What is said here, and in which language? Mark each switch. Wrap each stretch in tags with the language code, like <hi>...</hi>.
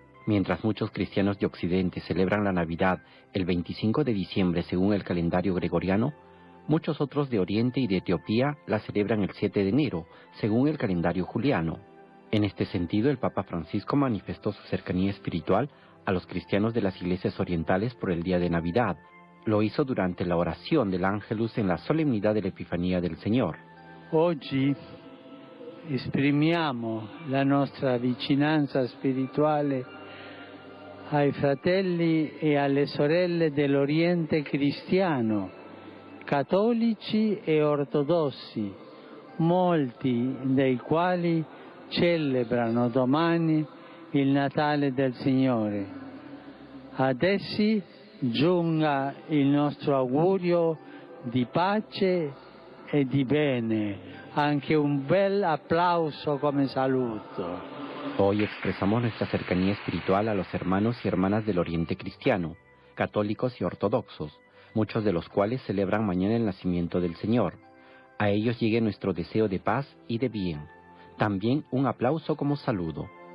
<es>Mientras muchos cristianos de Occidente celebran la Navidad el 25 de diciembre según el calendario gregoriano, muchos otros de Oriente y de Etiopía la celebran el 7 de enero, según el calendario juliano. En este sentido, el Papa Francisco manifestó su cercanía espiritual a los cristianos de las iglesias orientales por el día de Navidad. Lo hizo durante la oración del Ángelus en la solemnidad de la Epifanía del Señor. Hoy, exprimimos</es> <it>la nuestra vicinanza espiritual ai fratelli e alle sorelle dell'Oriente cristiano, cattolici e ortodossi, molti dei quali celebrano domani il Natale del Signore. Ad essi giunga il nostro augurio di pace e di bene, anche un bel applauso come saluto.</it> <es>Hoy expresamos nuestra cercanía espiritual a los hermanos y hermanas del Oriente cristiano, católicos y ortodoxos, muchos de los cuales celebran mañana el nacimiento del Señor. A ellos llegue nuestro deseo de paz y de bien. También un aplauso como saludo.</es>